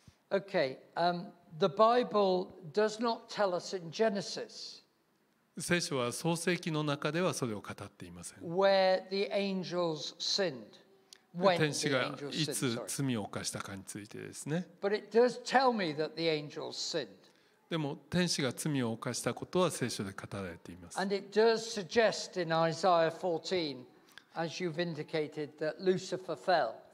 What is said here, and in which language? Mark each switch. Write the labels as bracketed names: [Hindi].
[English] Okay, the Bible does not tell us in Genesis. [Japanese] 聖書は創世記の中ではそれを語っていません。 [English] Where the angels sinned. When [Japanese] 天使がいつ罪を犯したかについてですね。 [English] But it does tell me that the angels sinned. [Japanese] でも天使が罪を犯したことは聖書で語られています。 [English] And it does suggest in Isaiah 14, as you've indicated, that Lucifer fell.